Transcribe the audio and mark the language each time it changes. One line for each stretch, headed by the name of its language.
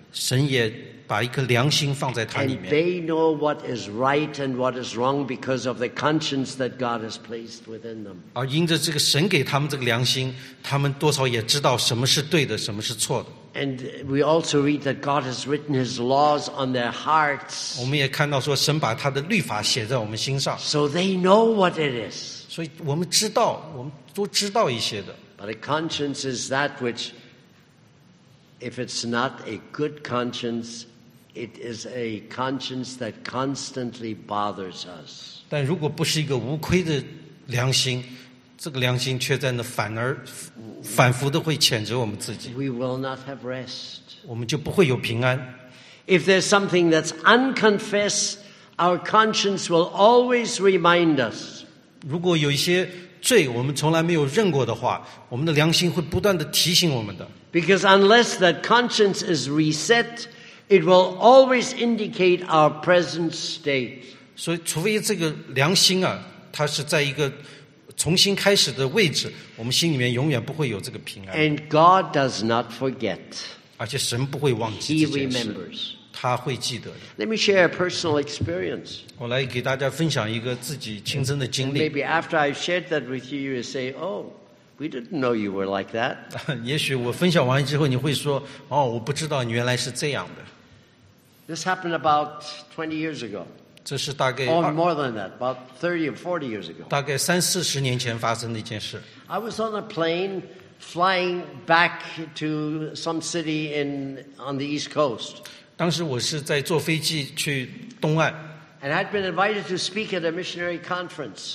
Chinese: 神也把一颗良心放在他里面。
English: And they know what is right and what is wrong because of the conscience that God has placed within them.
Chinese: 而因着这个神给他们这个良心，他们多少也知道什么是对的，什么是错的。
English: And we also read that God has written His laws on their hearts.
Chinese: 我们也看到说神把他的律法写在我们心上。
English: So they know what it is.
Chinese: 所以我们知道，我们都知道一些的。
English: But a conscience is that which, if it's not a good conscience, it is a conscience that constantly bothers us.
Chinese: 但如果不是一个无愧的良心。这个良心却在那反而反复的会谴责我们自己。
English: We will not have rest.
Chinese: 我们就不会有平安。
English: If there's something that's unconfessed, our conscience will always remind us.
Chinese: 如果有一些罪我们从来没有认过的话，我们的良心会不断的提醒我们的。
English: Because unless that conscience is reset, it will always indicate our present state.
Chinese: 所以，除非这个良心啊，它是在一个。重新开始的位置，我们心里面永远不会有这个平安。
English: And God does not forget.
Chinese: 而且神不会忘记这件事。
English: He remembers.
Chinese: 他会记得的。
English: Let me share a personal experience.
Chinese: 我来给大家分享一个自己亲身的经历。
English: Maybe after I shared that with you, you say, "Oh, we didn't know you were like that."
Chinese: 也许我分享完之后，你会说，哦，我不知道你原来是这样的。
English: This happened about 20 years ago.
Chinese: 这是大概
English: or more than that, about 30 or 40 years ago.
Chinese: 大概三四十年前发生的一件事。
English: I was on a plane flying back to some city on the East Coast.
Chinese: 当时我是在坐飞机去东岸。
English: And I'd been invited to speak at a missionary conference.